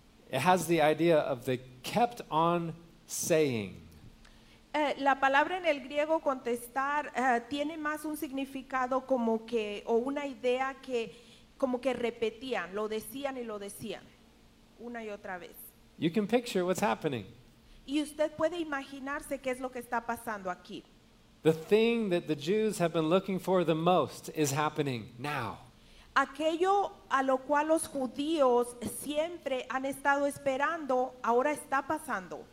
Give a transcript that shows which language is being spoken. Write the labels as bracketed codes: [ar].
[en] It has the idea of they kept on saying. [es] La palabra en el griego contestar tiene más un significado como que o una idea que como que repetían, lo decían y lo decían una y otra vez. [en] You can picture what's happening. [es] Y usted puede imaginarse qué es lo que está pasando aquí. [en] The thing that the Jews have been looking for the most is happening now. [es] Aquello a lo cual los judíos siempre han estado esperando, ahora está pasando.